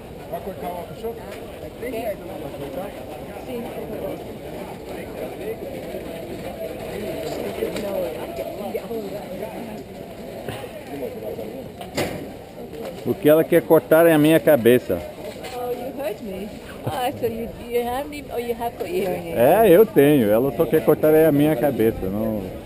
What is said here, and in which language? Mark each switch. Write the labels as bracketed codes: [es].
[pt] Vai cortar o cachorro? Sim. O que ela quer cortar é a minha cabeça. [en] Oh, you heard me. Ah, so you have me, or you have got hearing aid? [pt] É, eu tenho. Ela só quer cortar é a minha cabeça, não.